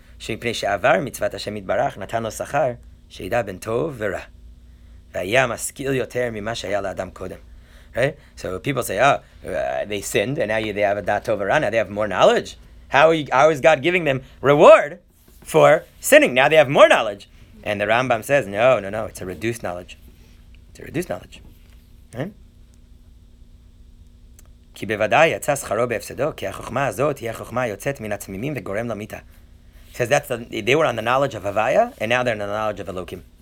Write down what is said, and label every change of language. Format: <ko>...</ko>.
<he>שמפני שעבר מצוות השם יתברך נתן לו שכר שידע בין טוב ורע. והיה משכיל יותר ממה שהיה לאדם קודם.</he> <en>Right? So people say, they sinned, and now they have a dat tovah ra, now they have more knowledge. How is God giving them reward for sinning? Now they have more knowledge. And the Rambam says, no, it's a reduced knowledge.</en> <he>כי בוודאי יצא שכרו בהפסדו, כי החוכמה הזאת היא החוכמה יוצאת מן התמימים וגורם למיתה.</he> <en>Says that they were on the knowledge of Havaya, and now they're on the knowledge of Elokim.</en>